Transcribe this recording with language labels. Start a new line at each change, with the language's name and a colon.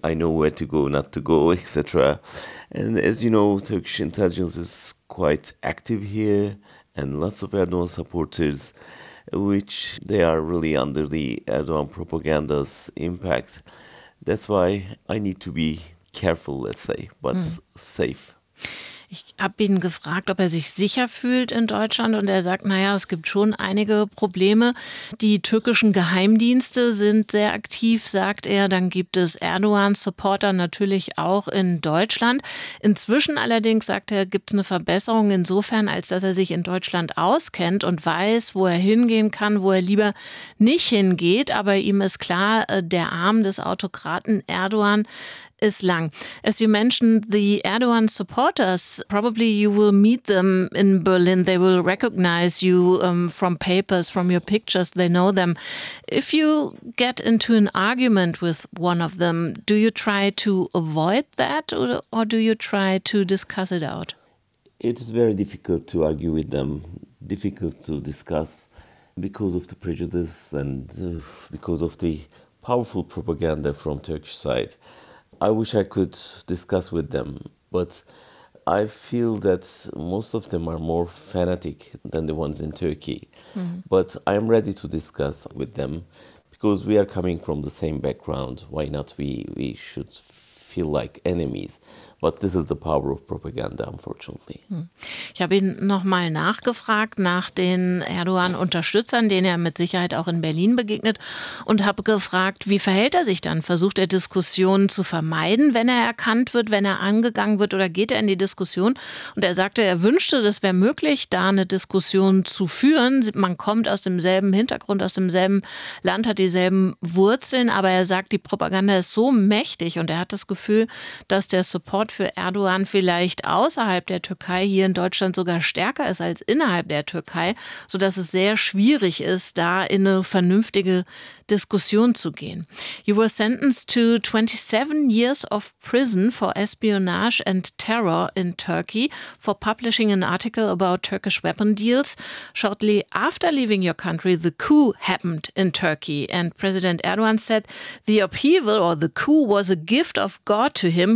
English: I know where to go, not to go, etc. And as you know, Turkish intelligence is quite active here and lots of Erdogan supporters, which they are really under the Erdogan propaganda's impact. That's why I need to be careful, let's say, but safe.
German: Ich habe ihn gefragt, ob er sich sicher fühlt in Deutschland und er sagt, naja, es gibt schon einige Probleme. Die türkischen Geheimdienste sind sehr aktiv, sagt er. Dann gibt es Erdogan-Supporter natürlich auch in Deutschland. Inzwischen allerdings, sagt er, gibt es eine Verbesserung insofern, als dass er sich in Deutschland auskennt und weiß, wo er hingehen kann, wo er lieber nicht hingeht. Aber ihm ist klar, der Arm des Autokraten Erdogan ist lang.
English: As you mentioned, the Erdogan supporters, probably you will meet them in Berlin. They will recognize you from papers, from your pictures. They know them. If you get into an argument with one of them, do you try to avoid that or do you try to discuss it out? It's very difficult to argue with them, difficult to discuss because of the prejudice and because of the powerful propaganda from Turkish side. I wish I could discuss with them, but I feel that most of them are more fanatic than the ones in Turkey. But I am ready to discuss with them because we are coming from the same background. Why not we should feel like enemies? But this is the power of propaganda, unfortunately.
German: Ich habe ihn nochmal nachgefragt nach den Erdogan-Unterstützern, denen er mit Sicherheit auch in Berlin begegnet, und habe gefragt, wie verhält er sich dann? Versucht er, Diskussionen zu vermeiden, wenn er erkannt wird, wenn er angegangen wird, oder geht er in die Diskussion? Und er sagte, er wünschte, das wäre möglich, da eine Diskussion zu führen. Man kommt aus demselben Hintergrund, aus demselben Land, hat dieselben Wurzeln, aber er sagt, die Propaganda ist so mächtig und er hat das Gefühl, dass der Support für Erdogan vielleicht außerhalb der Türkei hier in Deutschland sogar stärker ist als innerhalb der Türkei, sodass es sehr schwierig ist, da in eine vernünftige Diskussion zu gehen.
English: You were sentenced to 27 years of prison for espionage and terror in Turkey for publishing an article about Turkish weapon deals. Shortly after leaving your country, the coup happened in Turkey and President Erdogan said the upheaval or the coup was a gift of God to him.